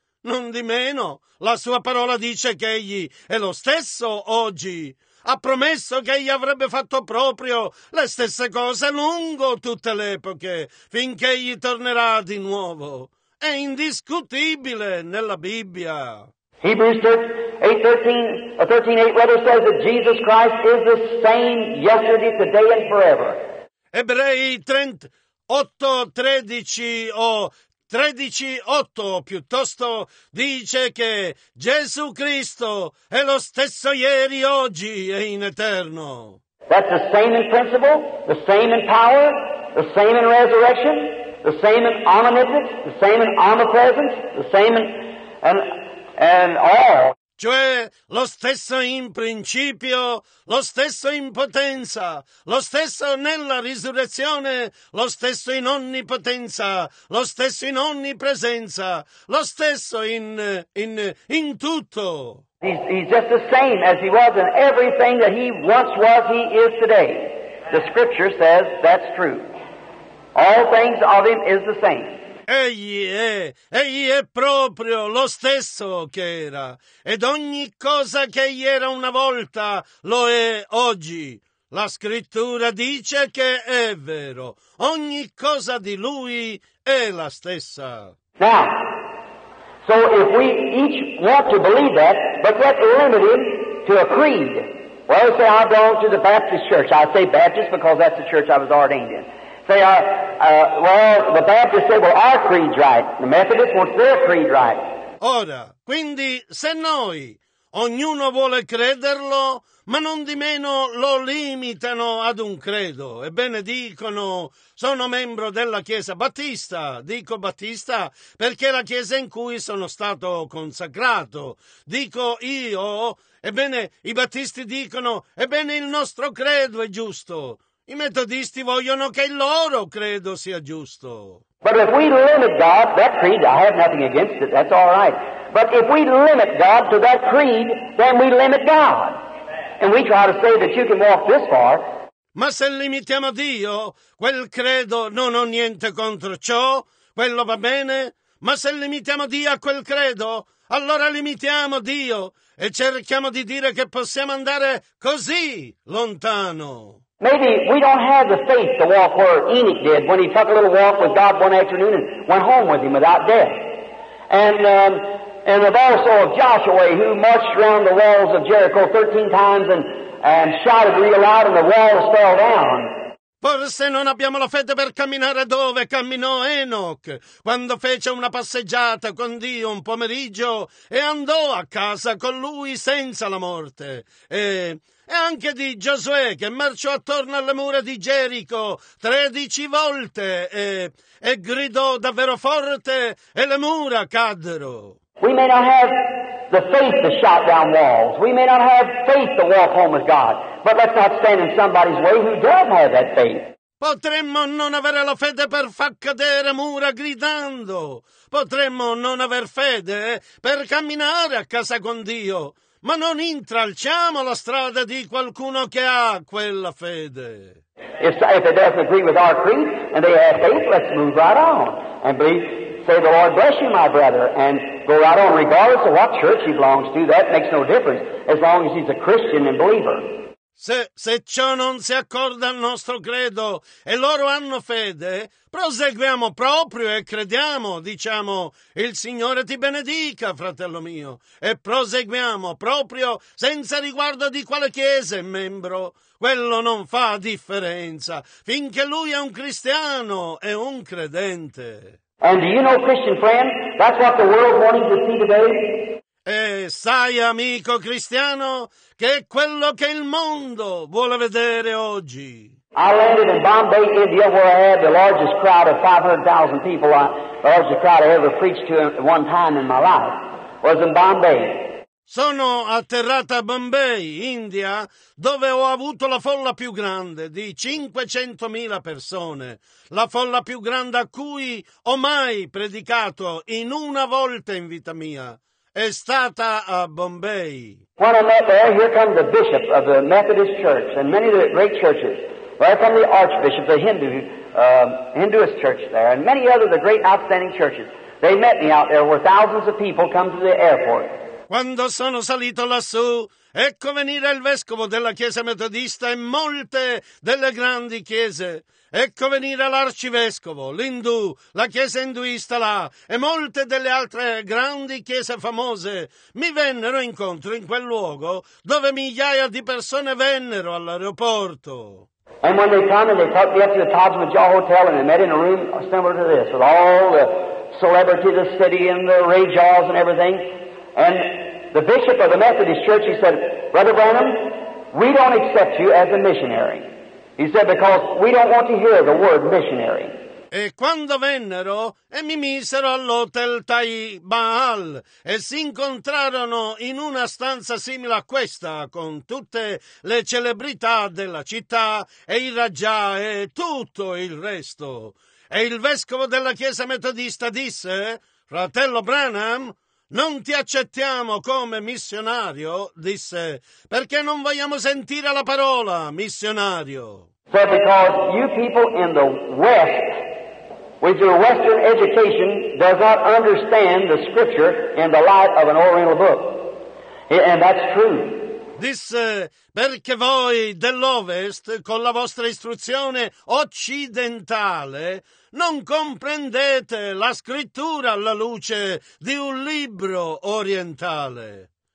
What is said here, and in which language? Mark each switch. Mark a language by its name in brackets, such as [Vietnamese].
[Italian] Non di meno, la sua parola dice che egli è lo stesso oggi. Ha promesso che egli avrebbe fatto proprio le stesse cose lungo tutte le epoche, finché egli tornerà di nuovo. È indiscutibile nella Bibbia. [English] Hebrews 13:8 says that Jesus Christ is the same yesterday, today and forever. [Italian] Ebrei 8:13 o 13:8 piuttosto dice che Gesù Cristo è lo stesso ieri, oggi e in eterno. [English] That's the same in principle, the same in power, the same in resurrection, the same in omnipotence, the same in omnipresence, the same in and all. [Italian] Cioè lo stesso in principio, lo stesso in potenza, lo stesso nella risurrezione, lo stesso in ogni potenza, lo stesso in ogni presenza, lo stesso in tutto. [English] He's just the same as he was in everything that he once was, he is today. The scripture says that's true. All things of him is the same. [Italian] Egli è proprio lo stesso che era, ed ogni cosa che egli era una volta lo è oggi. La scrittura dice che è vero, ogni cosa di lui è la stessa. [English] Now, so if we each want to believe that, but that limited to a creed. Well, say I belong to the Baptist church. I say Baptist because that's the church I was ordained in. Say, the Baptists say, well, our creed's right. The Methodists want their creed right. [Italian] Ora, quindi, se noi, ognuno vuole crederlo, ma non di meno lo limitano ad un credo. Ebbene dicono, sono membro della Chiesa Battista, dico Battista perché è la Chiesa in cui sono stato consacrato. Dico io, ebbene i Battisti dicono, ebbene il nostro credo è giusto. I metodisti vogliono che il loro credo sia giusto. [English] But if we limit God, that creed, I have nothing against it, that's all right. But if we limit God to that creed, then we limit God. And we try to say that you can walk this far. [Italian] Ma se limitiamo Dio, quel credo non ho niente contro ciò, quello va bene, Ma se limitiamo Dio a quel credo, allora limitiamo Dio e cerchiamo di dire che possiamo andare così lontano. [English] Maybe we don't have the faith to walk where Enoch did when he took a little walk with God one afternoon and went home with him without death. And the Bible saw of Joshua, who marched around the walls of Jericho 13 times and shouted real loud, and the walls fell down. [Italian] Forse non abbiamo la fede per camminare dove camminò Enoch, quando fece una passeggiata con Dio un pomeriggio e andò a casa con lui senza la morte. E anche di Giosuè, che marciò attorno alle mura di Gerico 13 volte e gridò davvero forte e le mura caddero. [English] We may not have the faith to shot down walls. We may not have faith to walk home with God. But let's not stand in somebody's way who does have that faith. [Italian] Potremmo non avere la fede per far cadere mura gridando. Potremmo non aver fede per camminare a casa con Dio. Ma non intralciamo la strada di qualcuno che ha quella fede. [English] If it doesn't agree with our creed and they have faith, let's move right on and believe. Say the Lord bless you, my brother, and go right on, regardless of what church he belongs to. That makes no difference, as long as he's a Christian and believer. [Italian] Se ciò non si accorda al nostro credo e loro hanno fede, proseguiamo proprio e crediamo, diciamo, il Signore ti benedica, fratello mio, e proseguiamo proprio senza riguardo di quale chiesa è membro. Quello non fa differenza, finché lui è un cristiano e un credente. [English] And do you know, Christian friend, that's what the world wanting to see today? [Italian] E sai, amico cristiano, che è quello che il mondo vuole vedere oggi. [English] I landed in Bombay, India, where I had the largest crowd of 500,000 people, the largest crowd I ever preached to at one time in my life, was in Bombay. [Italian] Sono atterrata a Bombay, India, dove ho avuto la folla più grande di 500.000 persone, la folla più grande a cui ho mai predicato in una volta in vita mia. È stata a Bombay. [English] When I met there, here come the bishop of the Methodist Church and many of the great churches. There come the archbishop of the Hinduist Church there and many other the great outstanding churches. They met me out there where thousands of people come to the airport. [Italian] Quando sono salito lassù, ecco venire il vescovo della chiesa metodista e molte delle grandi chiese. Ecco venire l'arcivescovo, l'indù, la chiesa induista là e molte delle altre grandi chiese famose. Mi vennero incontro in quel luogo dove migliaia di persone vennero all'aeroporto. [English] And when they come and they took me up to the Taj Mahal Hotel and they met in a room similar to this with all the celebrity of the city and the Ray Charles and everything. And the bishop of the Methodist Church, he said, Brother Branham, we don't accept you as a missionary. He said, because we don't want to hear the word missionary. [Italian] E quando vennero e mi misero all'hotel Taj Mahal e si incontrarono in una stanza simile a questa con tutte le celebrità della città e i raja e tutto il resto. E il vescovo della chiesa metodista disse, Fratello Branham, non ti accettiamo come missionario, disse, perché non vogliamo sentire la parola missionario. [English] So because you people in the West, with your Western education, does not understand the scripture in the light of an oriental book. And that's true. [Italian] Disse, perché voi dell'Ovest, con la vostra istruzione occidentale, non comprendete la scrittura alla luce di un libro orientale.